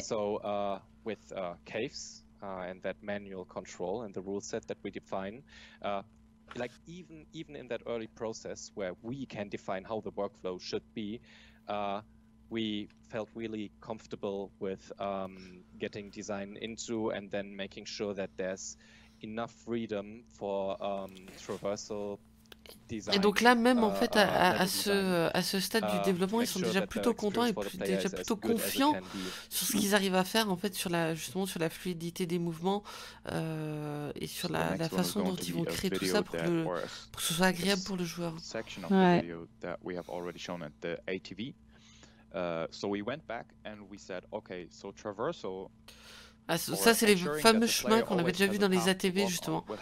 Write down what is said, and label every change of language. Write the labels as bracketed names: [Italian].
[English] So with caves and that manual control and the rule set that we define, like even in that early process where we can define how the workflow should be, we felt really comfortable with getting design into and then making sure that there's enough freedom for traversal. [French] Et donc là, même en fait, à ce stade du développement, ils sont déjà plutôt contents et déjà plutôt confiants sur ce qu'ils arrivent à faire en fait, justement sur la fluidité des mouvements et sur la façon dont ils vont créer tout ça pour que ce soit agréable pour le joueur. Ouais. [English] So we went back and we said, okay, so traversal. [French] Ah, ça, c'est les fameux chemins qu'on avait déjà vus dans les ATV, justement.